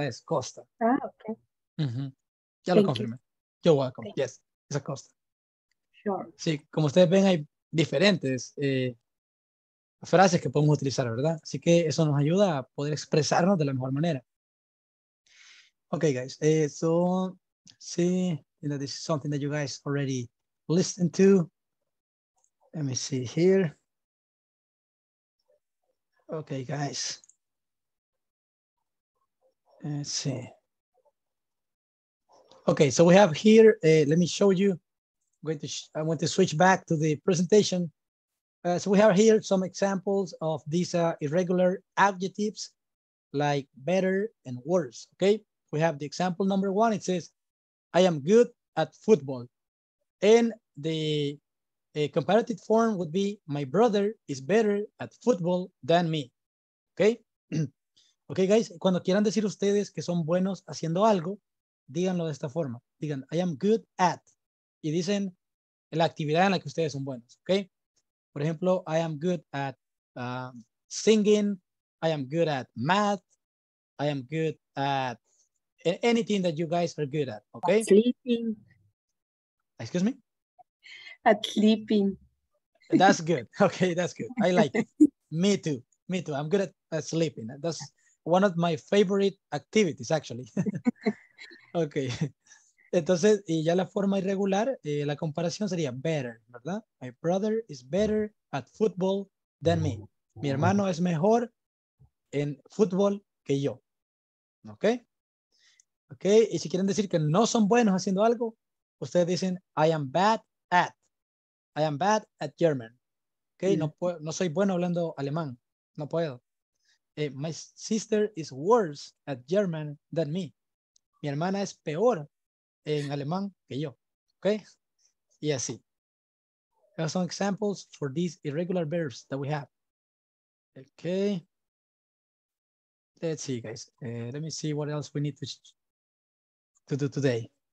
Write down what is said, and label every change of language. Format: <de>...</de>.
<es>Ah, ok. Uh-huh. Ya Thank lo confirmé.</es> <en>You're welcome.</en> <es>Okay. Yes, es a costa.</es> <en>Sure.</en> <es>Sí, como ustedes ven, hay diferentes frases que podemos utilizar, ¿verdad? Así que eso nos ayuda a poder expresarnos de la mejor manera.</es> <en>Okay, guys. So, see, you know, this is something that you guys already listened to. Let me see here. Okay, guys. Let's see. Okay, so we have here, let me show you. I'm going to switch back to the presentation. So we have here some examples of these irregular adjectives like better and worse. Okay, we have the example number one. It says, I am good at football. And the comparative form would be, my brother is better at football than me. Okay, okay, guys,</en> <es>cuando quieran decir ustedes que son buenos haciendo algo, díganlo de esta forma. Digan,</es> <en>I am good at.</en> <es>Y dicen la actividad en la que ustedes son buenos.</es> <en>Okay,</en> <es>por ejemplo,</es> <en>I am good at singing. I am good at math. I am good at anything that you guys are good at. Okay. At sleeping. Excuse me? At sleeping. That's good. Okay, that's good. I like it. Me too. Me too. I'm good at sleeping. That's one of my favorite activities, actually. Okay.</en> <es>Entonces, y ya la forma irregular, la comparación sería better, ¿verdad?</es> <en>My brother is better at football than me.</en> <es>Mi hermano es mejor en fútbol que yo. ¿Ok? ¿Ok? Y si quieren decir que no son buenos haciendo algo, ustedes dicen,</es> <en>I am bad at. I am bad at German.</en> <es>¿Ok? Mm. No soy bueno hablando alemán. No puedo.</es> <en>My sister is worse at German than me.</en> <es>Mi hermana es peor en alemán que yo. ¿Ok? Y así.</es> <en>There are some examples for these irregular verbs that we have. ¿Ok? Let's see, guys. Let me see what else we need to do today.</en>